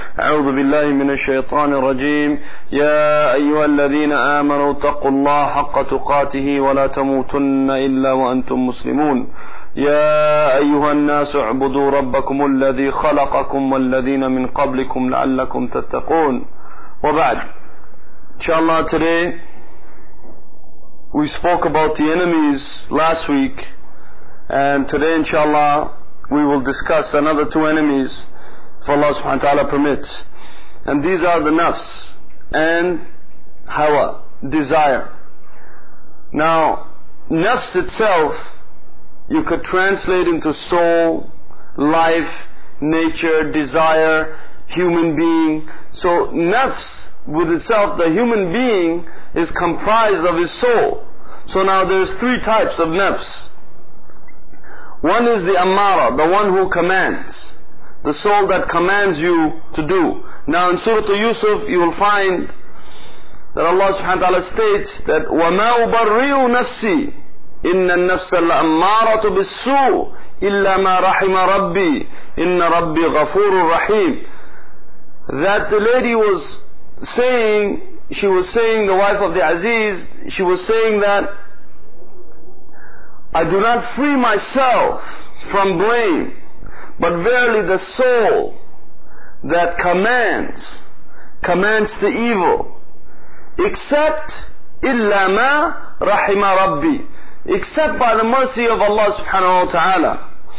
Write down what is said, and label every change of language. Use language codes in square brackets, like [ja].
[ar] أعوذ بالله من الشيطان الرجيم. يا أيها الذين آمنوا اتقوا الله حق تقاته ولا تموتن إلا وأنتم مسلمون. يا أيها الناس اعبدوا ربكم الذي خلقكم والذين من قبلكم لعلكم تتقون. وبعد، إن شاء الله [en] today we spoke about the enemies last week, and today inshallah we will discuss another two enemies if Allah subhanahu wa ta'ala permits. And these are the nafs and hawa, desire. Now, nafs itself you could translate into soul, life, nature, desire, human being. So nafs with itself, the human being is comprised of his soul. So now there's three types of nafs. One is the ammara, the one who commands, the soul that commands you to do. Now in Surah Yusuf you will find that Allah subhanahu wa ta'ala states that [ar] وَمَا أُبَرِّئُ نَفْسِي إِنَّ النَّفْسَ الْأَمَّارَةُ بِالسُّوءِ إِلَّا مَا رَحِمَ رَبِّي إِنَّ رَبِّي غَفُورٌ رَحِيمٌ. [en] That the lady was saying, she was saying, the wife of the Aziz, she was saying that I do not free myself from blame, but verily the soul that commands to evil, except [ar] إِلَّا مَا رَحِمَ رَبِّي, [en] except by the mercy of Allah subhanahu wa ta'ala.